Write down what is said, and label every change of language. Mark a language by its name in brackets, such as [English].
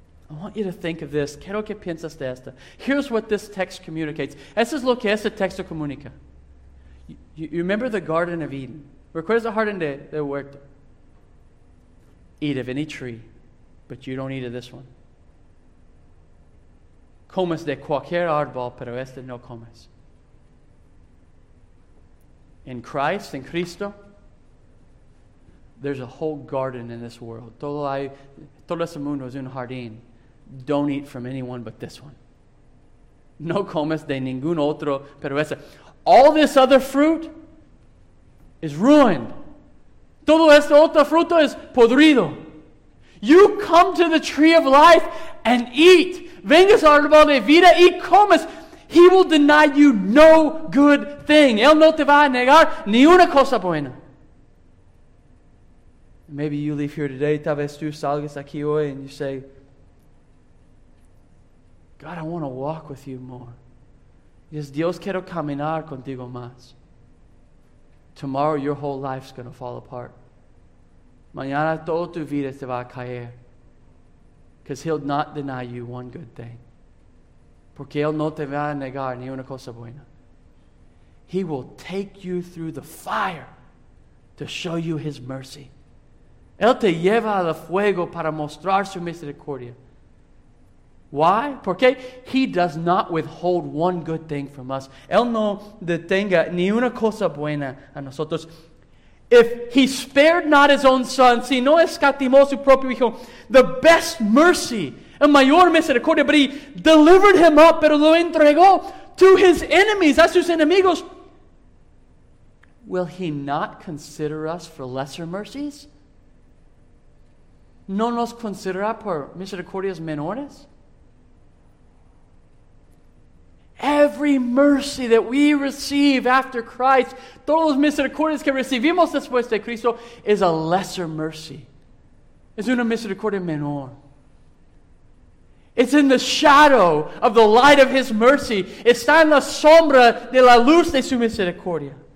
[English] I want you to think of this. [Spanish] Quiero que pienses de esto. [English] Here's what this text communicates. [Spanish] Eso es lo que este texto comunica. [English] You remember the Garden of Eden? [Spanish] ¿Recuerdas el jardín de huerto? [English] Eat of any tree, but you don't eat of this one. [Spanish] Comes de cualquier árbol, pero este no comes. [English] In Christ, in Cristo, there's a whole garden in this world. [Spanish] Todo ese mundo es un jardín. [English] Don't eat from anyone but this one. [Spanish] No comes de ningún otro, pero este. [English] All this other fruit is ruined. [Spanish] Todo este otro fruto es podrido. [English] You come to the tree of life and eat. [Spanish] Vengas al árbol de vida y comas. [English] He will deny you no good thing. [Spanish] Él no te va a negar ni una cosa buena. [English] Maybe you leave here today, [Spanish] tal vez tú salgas aquí hoy, [English] and you say, God, I want to walk with you more. Yes, [Spanish] Dios, quiero caminar contigo más. [English] Tomorrow, your whole life's going to fall apart. [Spanish] Mañana toda tu vida se va a caer. [English] Because He'll not deny you one good thing. [Spanish] Porque Él no te va a negar ni una cosa buena. [English] He will take you through the fire to show you His mercy. [Spanish] Él te lleva al fuego para mostrar su misericordia. [English] Why? Porque He does not withhold one good thing from us. [Spanish] Él no detenga ni una cosa buena a nosotros. [English] If He spared not His own Son, [Spanish] si no escatimó su propio Hijo, [English] the best mercy, [Spanish] el mayor misericordia, [English] but He delivered Him up, [Spanish] pero lo entregó [English] to His enemies, [Spanish] a sus enemigos. [English] Will He not consider us for lesser mercies? [Spanish] ¿No nos considera por misericordias menores? [English] Every mercy that we receive after Christ, [Spanish] todos los misericordias que recibimos después de Cristo, [English] is a lesser mercy. [Spanish] Es una misericordia menor. [English] It's in the shadow of the light of His mercy. [Spanish] Está en la sombra de la luz de su misericordia.